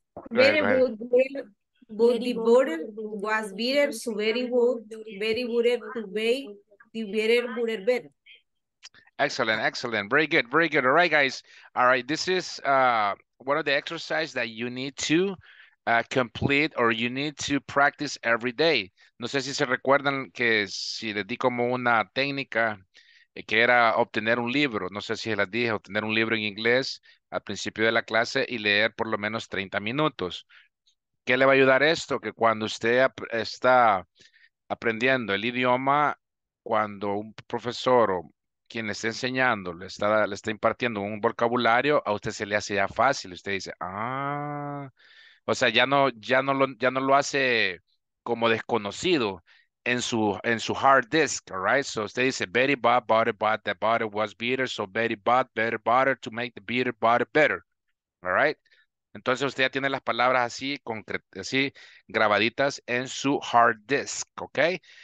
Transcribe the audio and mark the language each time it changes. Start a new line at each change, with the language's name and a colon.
English: Very good, the butter was bitter, so very good, very good to bake, the better, butter, better. Excellent, excellent. Very good, very good. All right, guys. All right, this is one of the exercises that you need to complete or you need to practice every day.
Spanish: No sé si se recuerdan que si les di como una técnica que era obtener un libro. No sé si les dije obtener un libro en inglés al principio de la clase y leer por lo menos 30 minutos. ¿Qué le va a ayudar esto? Que cuando usted está aprendiendo el idioma, cuando un profesor o quien le está enseñando, le está impartiendo un vocabulario, a usted se le hace ya fácil. Usted dice, ah, o sea, ya no lo hace como desconocido en su hard disk,
English: all right? So
Spanish: usted dice,
English: very bad butter, but the butter was bitter, so very bad, better butter to make the bitter butter better, all right?
Spanish: Entonces usted ya tiene las palabras así, así grabaditas en su hard disk, okay?